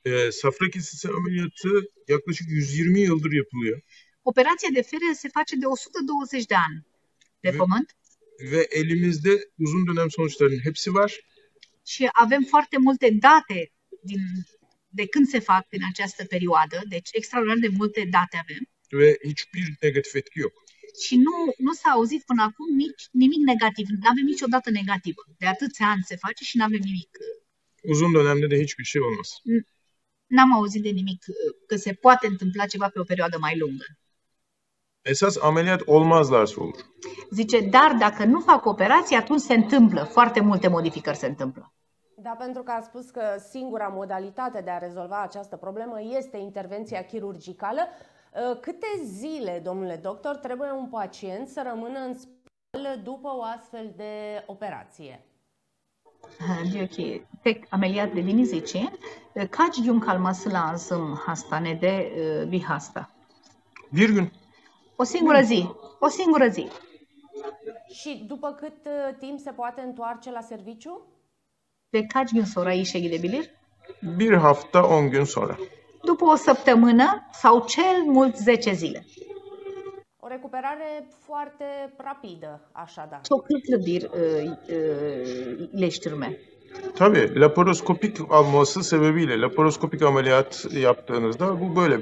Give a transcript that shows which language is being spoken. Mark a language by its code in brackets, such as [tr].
[tr] Safra kesesi ameliyatı yaklaşık 120 yıldır yapılıyor. [ro] Operația de fiere se face de 120 de ani pe pământ. [tr] Ve elimizde uzun dönem sonuçlarının hepsi var. [ro] Și avem foarte multe date din de când se fac în această perioadă, deci extraordinar de multe date avem. [tr] Ve hiçbir negatif etki yok. [ro] Și nu s-a auzit până acum nimic negativ, nu avem nicio dată negativă. De atâția ani se face și nu avem nimic. [tr] Uzun dönemde de hiçbir şey olmaz. [ro] N-am auzit de nimic că se poate întâmpla ceva pe o perioadă mai lungă. [tr] Esas ameliyat olmazlarsa olur. [ro] Zice, dar dacă nu fac operație, atunci se întâmplă. Foarte multe modificări se întâmplă. Da, pentru că a spus că singura modalitate de a rezolva această problemă este intervenția chirurgicală. Câte zile, domnule doctor, trebuie un pacient să rămână în spital după o astfel de operație? [tr] Ok, tek ameliyat dediğiniz için kaç gün kalması lazım hastanede bir hasta? Bir gün. [ro] O singură zi. O singură zi. Și după cât timp se poate întoarce la serviciu? [tr] Pe kaç gün sonra işe gidebilir? Bir hafta 10 gün sonra. [ro] După o săptămână sau cel mult 10 zile. O recuperare foarte rapidă, așadar. [tr] Çok hızlı bir iyileştirme. Tabii, laparoskopik olması sebebiyle laparoskopik ameliyat yaptığınızda bu böyle.